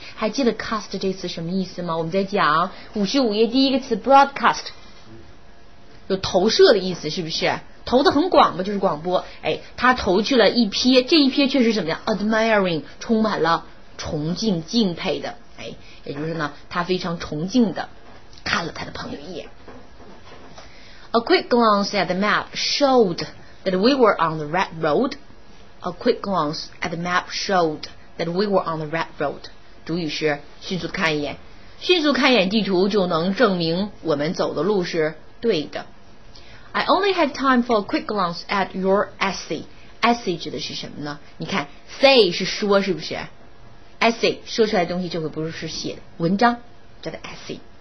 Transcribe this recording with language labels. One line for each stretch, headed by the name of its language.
Chinese: 还记得 cast 这次什么意思吗？我们在讲55页第一个词 broadcast， 有投射的意思，是不是？投的很广嘛，就是广播。哎，他投去了一瞥，这一瞥确实怎么样 ？admiring， 充满了崇敬、敬佩的。哎，也就是呢，他非常崇敬的看了他的朋友一眼。
English: A quick glance at the map showed that we were on the right road. A quick glance at the map showed that we were on the right road.
Chinese: 主语是迅速看一眼，迅速看一眼地图就能证明我们走的路是对的。
English: I only had time for a quick glance at your essay. Essay
Chinese: 指的是什么呢？你看 ，say 是说，是不是 ？Essay 说出来的东西就会不是是写文章，叫做 essay。